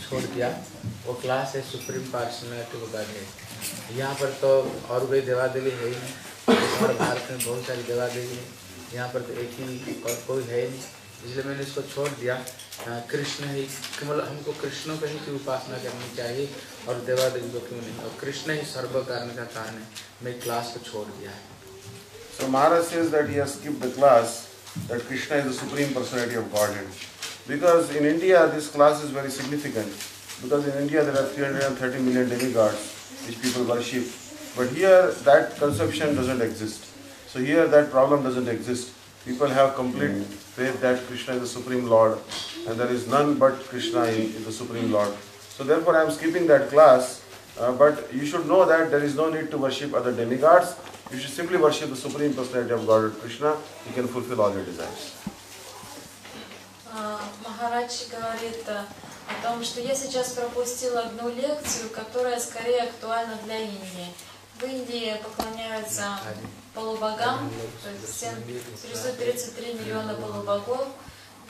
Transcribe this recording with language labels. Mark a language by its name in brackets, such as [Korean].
[Hindi] Supreme पार्सनैलिटी बताइए यहाँ पर तो और भी देवादेवी है ही नहीं, भारत में बहुत सारी देवादेवी हैं, यहाँ पर तो एक ही और कोई है ही नहीं, इसलिए मैंने इसको छोड़ दिया। कृष्ण ही मतलब हमको कृष्ण का ही की उपासना करनी चाहिए और देवादेवी को क्यों नहीं, और कृष्ण ही सर्व कारण का कारण है, मैं क्लास को छोड़ दिया है। [English] So Maharaj says that he has skipped the class that Krishna is the supreme personality of godhead because in India this class is very significant because in India there are 330 million demigods which people worship, but here that conception doesn't exist, so here that problem doesn't exist, people have complete faith that Krishna is the supreme lord and there is none but Krishna is the supreme lord, so therefore I am skipping that class, but you should know that there is no need to worship other demigods, you should simply worship the supreme personality of Godhead Krishna, he can fulfill all your desires. [Russian] Maharaj говорит о том, что я сейчас пропустила одну лекцию, которая скорее актуальна для Индии. В Индии поклоняются полубогам, то есть 733 миллиона полубогов. В